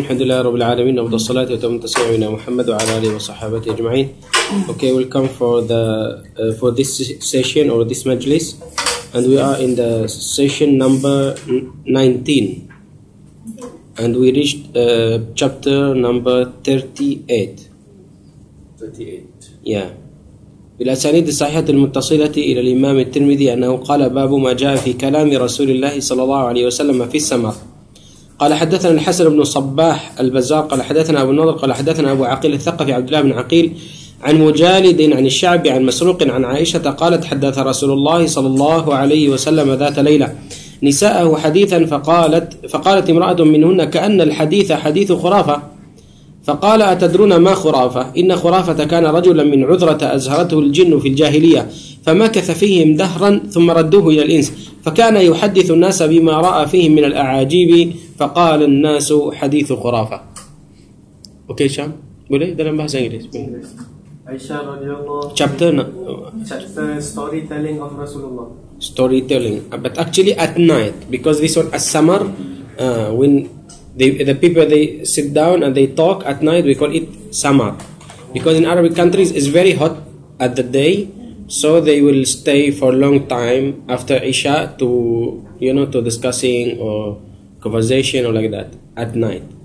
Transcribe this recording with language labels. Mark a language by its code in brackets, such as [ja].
[ar] الحمد لله رب العالمين وبعد الصلاة وتم التسليم على محمد وعلى آله وصحابته أجمعين. [en] Okay, welcome for this session or this majlis, and we are in the session number 19, and we reached chapter number 38. Yeah. [ar] بالأسانيد الصحيحة المتصلة إلى الإمام الترمذي أنه قال باب ما جاء في كلام رسول الله صلى الله عليه وسلم في السماء. قال حدثنا الحسن بن صباح البزار قال حدثنا أبو النضر قال حدثنا أبو عقيل الثقفي عبد الله بن عقيل عن مجالد عن الشعبي عن مسروق عن عائشة قالت حدث رسول الله صلى الله عليه وسلم ذات ليلة نساءه حديثا فقالت امرأة منهن كأن الحديث حديث خرافة. فقال أتدرون ما خرافة؟ إن خرافة كان رجلا من عذرة أزهرته الجن في الجاهلية فمكث فيهم دهرا ثم ردوه إلى الإنس فكان يحدث الناس بما رأى فيهم من الأعاجيب فقال الناس حديث خرافة. أوكي شام بولي دلن بحث انجليز عائشة رضي الله [en] chapter storytelling of Rasulullah storytelling but actually at night because this was a summer when the people they sit down and they talk at night we call it summer because in Arabic countries it's very hot at the day so they will stay for a long time after Isha to you know to discussing or conversation or like that at night.